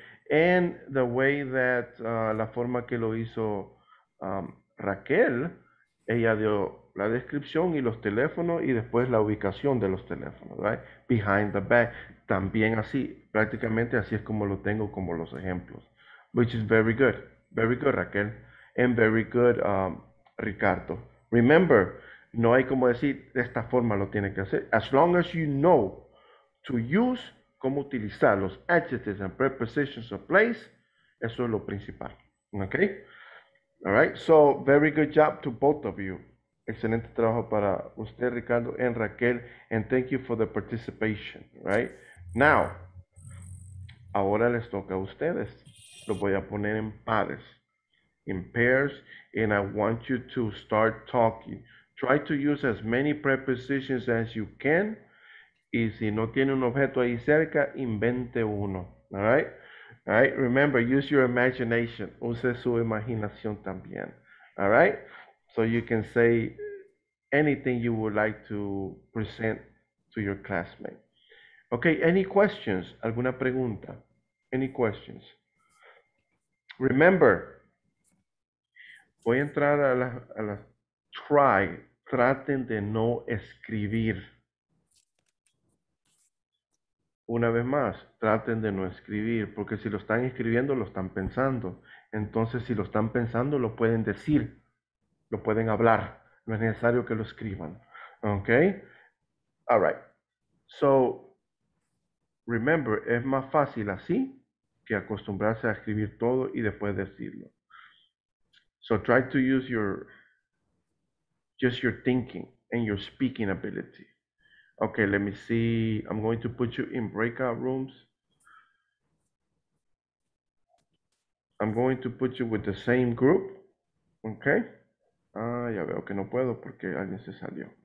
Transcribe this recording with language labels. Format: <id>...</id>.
<en>And the way that,</en> <es>la forma que lo hizo Raquel, ella dio la descripción y los teléfonos y después la ubicación de los teléfonos, right?</es> <en>Behind the bag.</en> <es>También así, prácticamente así es como lo tengo como los ejemplos.</es> <en>Which is very good Raquel, and very good Ricardo.</en> <es>Remember, no hay como decir, de esta forma lo tiene que hacer.</es> <en>As long as you know to use,</en> <es>cómo utilizar los</es> <en>adjectives and prepositions of place,</en> <es>eso es lo principal,</es> <en>okay? All right, so very good job to both of you.</en> <es>Excelente trabajo para usted,</es> <en>Ricardo, and Raquel, and thank you for the participation, right?</en> <es>Now, ahora les toca a ustedes. Lo voy a poner en pares,</es> <en>in pairs, and I want you to start talking. Try to use as many prepositions as you can.</en> <es>Y si no tiene un objeto ahí cerca, invente uno.</es> <en>All right? All right? Remember, use your imagination.</en> <es>Use su imaginación también.</es> <en>All right? So you can say anything you would like to present to your classmates. Okay, any questions?</en> <es>¿Alguna pregunta?</es> <en>Any questions?</en> <es>Remember, voy a entrar a la try. Traten de no escribir. Una vez más, traten de no escribir, porque si lo están escribiendo, lo están pensando. Entonces, si lo están pensando, lo pueden decir, lo pueden hablar. No es necesario que lo escriban.</es> <en>Okay. All right. So, remember,</en> <es>es más fácil así que acostumbrarse a escribir todo y después decirlo.</es> <en>So, try to use your, just your thinking and your speaking ability. Okay, let me see. I'm going to put you in breakout rooms. I'm going to put you with the same group. Okay.</en> <es>Ah, ya veo que no puedo porque alguien se salió.</es>